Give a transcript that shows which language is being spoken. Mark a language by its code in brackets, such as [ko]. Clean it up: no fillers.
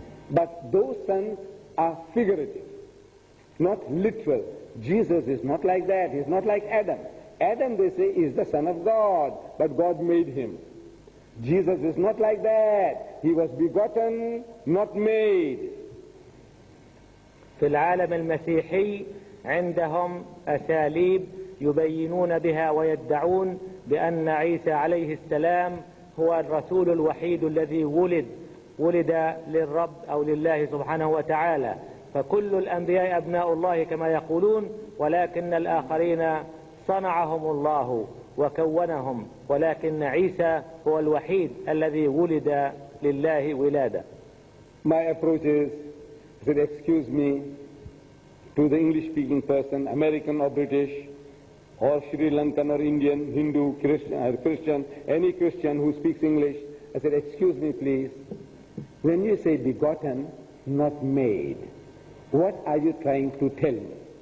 [en] But those sons are figurative, not literal. Jesus is not like that. He's not like Adam. Adam, they say, is the Son of God, but God made him. Jesus is not like that. He was begotten, not made. [ar] في العالم المسيحي عندهم أساليب يبينون بها ويدعون بأن عيسى عليه السلام هو الرسول الوحيد الذي ولد للرب أو لله سبحانه وتعالى، فكل الأنبياء أبناء الله كما يقولون، ولكن الآخرين صنعهم الله وكونهم، ولكن عيسى هو الوحيد الذي ولد لله ولادة. [en] My approach is, I said, excuse me to the English speaking person, American or British, or Sri Lankan or Indian, Hindu, Christian, any Christian who speaks English. I said, excuse me please, when you say begotten, not made, what are you trying to tell me?